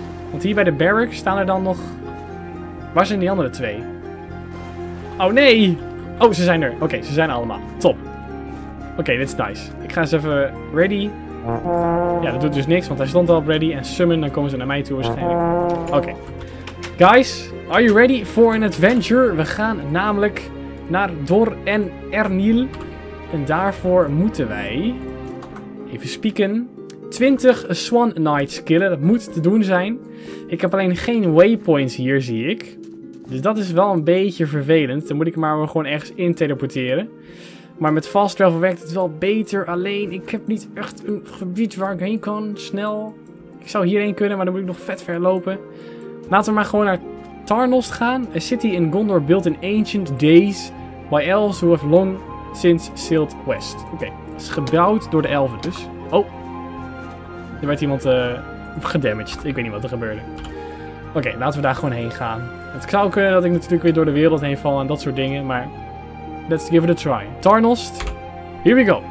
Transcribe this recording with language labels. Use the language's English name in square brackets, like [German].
[Dutch] Want hier bij de barracks staan er dan nog... Waar zijn die andere 2? Oh nee! Oh, ze zijn er. Oké, ze zijn allemaal. Top. Oké, dit is nice. Ik ga eens even ready. Ja, dat doet dus niks, want hij stond al op ready. En summon, dan komen ze naar mij toe waarschijnlijk. Oké. [English] Guys, are you ready for an adventure? [Dutch] We gaan namelijk naar Dor en Erniel. En daarvoor moeten wij... Even spieken. 20 Swan Knights killen. Dat moet te doen zijn. Ik heb alleen geen waypoints hier, zie ik. Dus dat is wel een beetje vervelend. Dan moet ik maar gewoon ergens in teleporteren. Maar met fast travel werkt het wel beter. Alleen, ik heb niet echt een gebied waar ik heen kan. Snel. Ik zou hierheen kunnen, maar dan moet ik nog vet ver lopen. Laten we maar gewoon naar Tarnost gaan. [English] A city in Gondor built in ancient days by elves who have long since sailed west. [Dutch] Oké. Het is gebouwd door de elven dus. Oh. Er werd iemand gedamaged. Ik weet niet wat er gebeurde. Oké, laten we daar gewoon heen gaan. Het zou kunnen dat ik natuurlijk weer door de wereld heen val en dat soort dingen, maar [English] Let's give it a try. Tarnost. Here we go.